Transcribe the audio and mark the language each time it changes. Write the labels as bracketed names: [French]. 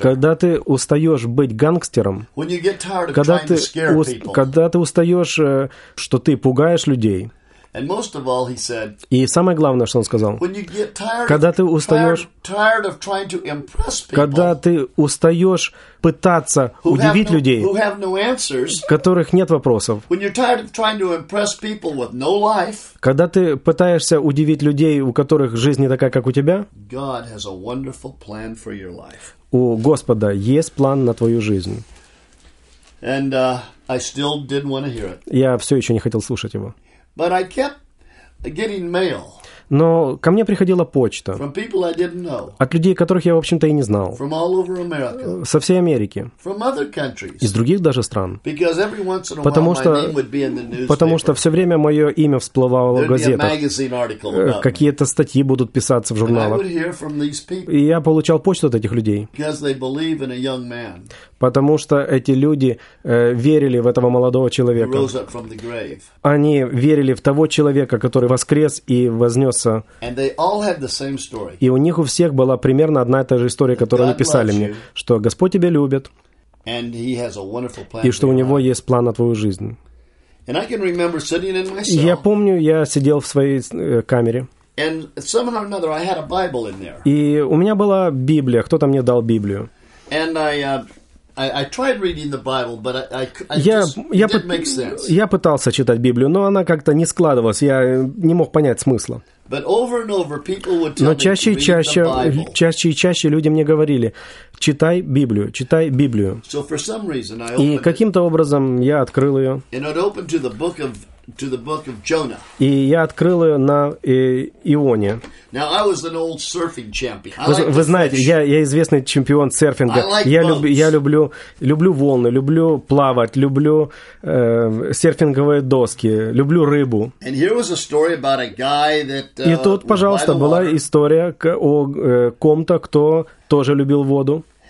[Russian] Когда ты устаешь быть гангстером. [English] When you get tired of trying to scare people. [Russian] Когда ты устаешь, что ты пугаешь людей. [English] And most of all, he said. [Russian] И самое главное, что он сказал. [English] When you get tired. [Russian] Когда ты устаешь. [English] Tired of trying to impress people. [Russian] Когда ты устаешь пытаться удивить людей. [English] Who have no answers. [Russian] Которых нет вопросов. [English] When you're tired of trying to impress people with no life. [Russian] Когда ты пытаешься удивить людей, у которых жизнь не такая, как у тебя. [English] God has a wonderful plan for your life. [Russian] У Господа есть план на твою жизнь. [English] And I still didn't want to hear it. [Russian] Я все еще не хотел слушать его. [English] But I kept getting mail. [Russian] Но ко мне приходила почта. [English] From people I didn't know. [Russian] От людей, которых я, в общем-то, и не знал. [English] From all over America. [Russian] Со всей Америки. [English] From other countries. [Russian] Из других даже стран. [English] Because every once in a while, [Russian] потому что, [English] my name would be in the newspaper. [Russian] Потому что все время мое имя всплывало [English] There'd [Russian] в газетах. [English] Be a magazine article about me. [Russian] Какие-то статьи будут писаться в журналах. [English] And I would hear from these people. [Russian] И я получал почту от этих людей. [English] Because they believe in a young man. [Russian] Потому что эти люди верили в этого молодого человека. [English] Rose up from the grave. [Russian] Они верили в того человека, который воскрес и вознесся. [English] And they all had the same story. [Russian] И у них у всех была примерно одна и та же история, которую они писали мне, что Господь тебя любит, [English] and he has a wonderful plan [Russian] и что у него есть план на твою жизнь. [English] And I can remember sitting in my cell. [Russian] Я помню, я сидел в своей камере, [English] and somehow or another I had a Bible in there. [Russian] И у меня была Библия, кто-то мне дал Библию. [English] And I tried reading the Bible, but it didn't make sense. [Russian] Я пытался читать Библию, но она как-то не складывалась, я не мог понять смысла. [English] But over and over people would tell me to read the Bible. [Russian] Но чаще и чаще люди мне говорили: читай Библию, читай Библию. [English] So for some reason I opened it. [Russian] И каким-то образом я открыл ее. [English] And it opened to the book of Jonah. [Russian] И я открыл ее на Ионе. [English] Now I was an old surfing champion. [Russian] Вы знаете, я известный чемпион серфинга. Я люблю волны, люблю плавать, люблю серфинговые доски, люблю рыбу. [English] And here was a story about a guy that. [Russian] И тут, пожалуйста, была история о ком-то, кто тоже любил воду.